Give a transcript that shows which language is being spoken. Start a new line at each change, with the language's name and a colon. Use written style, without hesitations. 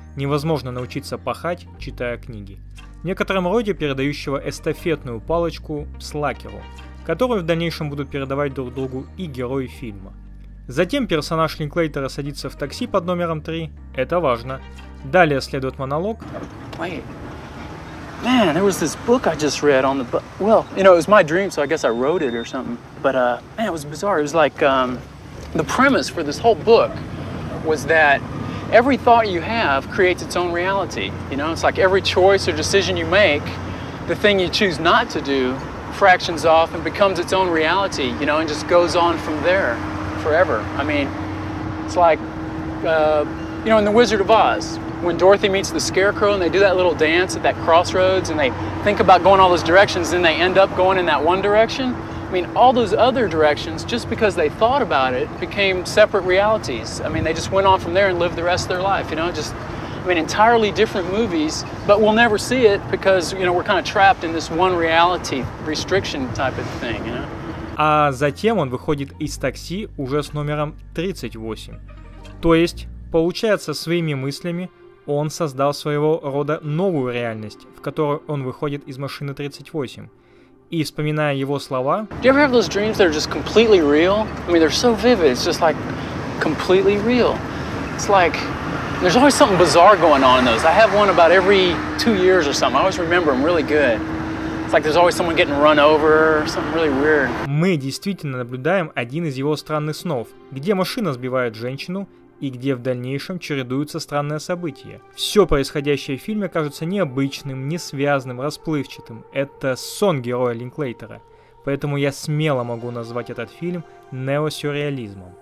Russian: «Невозможно научиться пахать, читая книги». В некотором роде передающего эстафетную палочку «слакеру», которую в дальнейшем будут передавать друг другу и герои фильма. Затем персонаж Линклейтера садится в такси под номером 3. Это важно. Далее следует монолог.
English: Man, there was this book I just read on the well, you know, it was my dream, so I guess I wrote it or something. But man, it was bizarre. It was like the premise for this whole book was that every thought you have creates its own reality, you know? It's like every choice or decision you make, the thing you choose not to do fractions off and becomes its own reality, you know, and just goes on from there. Forever. I mean, it's like, you know, in The Wizard of Oz, when Dorothy meets the Scarecrow and they do that little dance at that crossroads and they think about going all those directions, then they end up going in that one direction. I mean, all those other directions, just because they thought about it, became separate realities. I mean, they just went on from there and lived the rest of their life, you know, just I mean, entirely different movies, but we'll never see it because, you know, we're kind of trapped in this one reality restriction type of thing, you know?
Russian: А затем он выходит из такси уже с номером 38. То есть, получается, своими мыслями он создал своего рода новую реальность, в которую он выходит из машины 38. И вспоминая его слова...
English: Do you ever have those dreams that are just completely real? I mean, they're so vivid, it's just like completely real. It's like, there's always something bizarre going on in those. I have one about every 2 years or something. I always remember them really good. Like there's always someone getting run over, something really weird.
Russian: Мы действительно наблюдаем один из его странных снов, где машина сбивает женщину и где в дальнейшем чередуются странные события. Все происходящее в фильме кажется необычным, несвязным, расплывчатым. Это сон героя Линклейтера. Поэтому я смело могу назвать этот фильм неосюрреализмом.